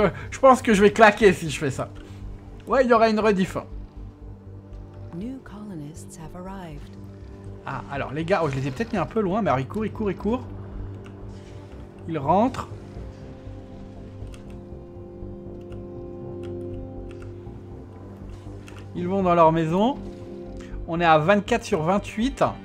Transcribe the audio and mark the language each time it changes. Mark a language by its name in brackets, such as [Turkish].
[French] je pense que je vais claquer si je fais ça. Ouais, il y aura une rediff. [English] New colonists have arrived. [French] Ah, alors les gars, oh, je les ai peut-être mis un peu loin, mais alors il court. Il rentre. Ils vont dans leur maison. On est à 24 sur 28.